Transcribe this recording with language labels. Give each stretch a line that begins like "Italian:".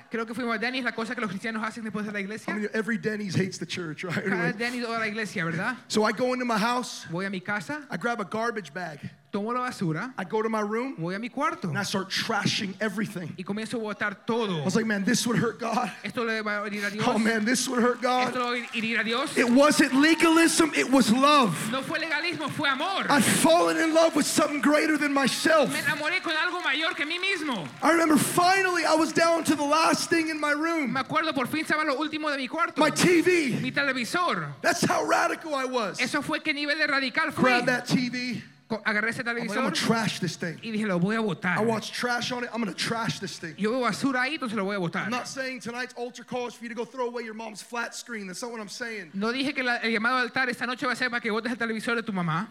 Spanish: Creo que fuimos a Denny's, la cosa que los cristianos hacen después de la iglesia.
English: I mean, every Denny's hates the church, right?
Spanish: Cada Denny's odia la iglesia, ¿verdad?
English: So I go into my house.
Spanish: Voy a mi casa.
English: I grab a garbage bag.
Spanish: Tomo la basura.
English: I go to my room.
Spanish: Voy a mi cuarto.
English: And I start trashing everything.
Spanish: Y comienzo a botar todo.
English: I was like, man, this would hurt God.
Spanish: Esto le va a herir a Dios.
English: Oh man, this would hurt God.
Spanish: Esto le va a herir a Dios.
English: It wasn't legalism, it was love.
Spanish: No fue legalismo, fue amor.
English: I've fallen in love with something greater than myself.
Spanish: Me enamoré con algo mayor que mí mismo.
English: I remember finally I was down to the last thing in my room.
Spanish: Me acuerdo por fin estaba lo último de mi cuarto.
English: My TV.
Spanish: Mi televisor.
English: That's how radical I was.
Spanish: Eso fue qué nivel de radical fui.
English: Grab that TV.
Spanish: Agarré ese televisor.
English: I'm going to trash this thing.
Spanish: Y dije, lo voy a botar.
English: I watch trash on it. I'm going to trash this thing.
Spanish: Yo veo basura ahí, entonces lo voy a botar.
English: I'm not saying tonight's altar call is for you to go throw away your mom's flat screen. That's not what I'm saying.
Spanish: No dije que el llamado al altar esta noche va a ser para que botes el televisor de tu mamá.